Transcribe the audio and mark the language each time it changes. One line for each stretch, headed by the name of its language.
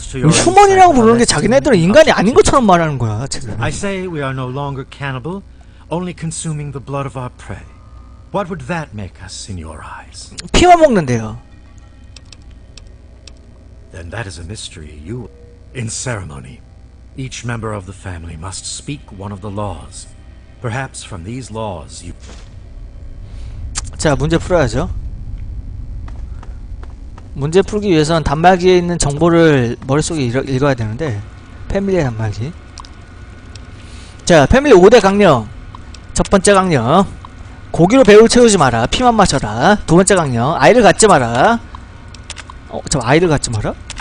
Korean: 휴먼이라고 부르는 게 자기네들은 인간이 아닌 것처럼 말하는 거야, 지금.
English: I say we are no longer cannibal, only consuming the blood of our prey. What would that make us in your eyes?
Korean: 피만 먹는데요.
English: Then that is a mystery. You, in ceremony, each member of the family must speak one of the laws. Perhaps from these laws you.
Korean: 자 문제 풀어야죠. 문제 풀기 위해선 단말기에 있는 정보를 머릿속에 읽어야 되는데 패밀리의 단말기. 자 패밀리 5대 강령. 첫 번째 강령. 고기로 배를 채우지 마라. 피만 마셔라. 두 번째 강령. 아이를 갖지 마라. 아이를 갖지 마라?